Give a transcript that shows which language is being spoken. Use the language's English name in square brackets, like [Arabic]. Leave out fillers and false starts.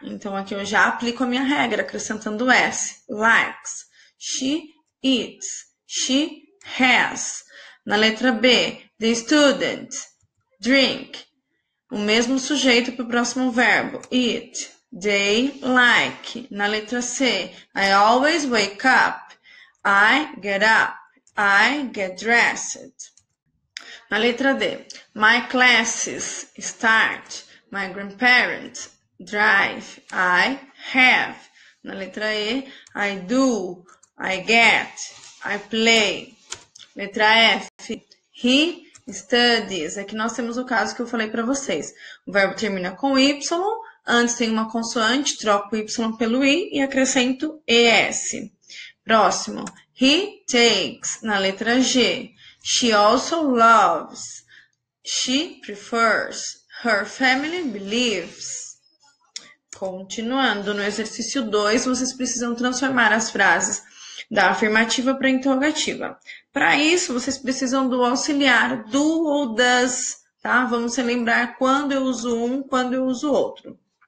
[Portuguese] Então aqui eu já aplico a minha regra, acrescentando S. [English] Likes. She eats. She has. [Portuguese] Na letra B, [English] the student. Drink. [Portuguese] O mesmo sujeito para o próximo verbo. [English] Eat. They like. [Portuguese] Na letra C, [English] I always wake up. I get up. I get dressed. [Portuguese] Na letra D, [English] my classes start, my grandparents drive, I have. [Portuguese] Na letra E, [English] I do, I get, I play. [Portuguese] Letra F, [English] he studies. [Portuguese] Aqui nós temos o caso que eu falei para vocês. O verbo termina com Y, antes tem uma consoante, troco Y pelo I e acrescento ES. Próximo, [English] he takes. [Portuguese] Na letra G, [English] she also loves. She prefers. Her family believes. [Portuguese] Continuando, no exercício 2, vocês precisam transformar as frases da afirmativa para interrogativa. Para isso, vocês precisam do auxiliar do ou das, tá? Vamos relembrar quando eu uso um, quando eu uso outro.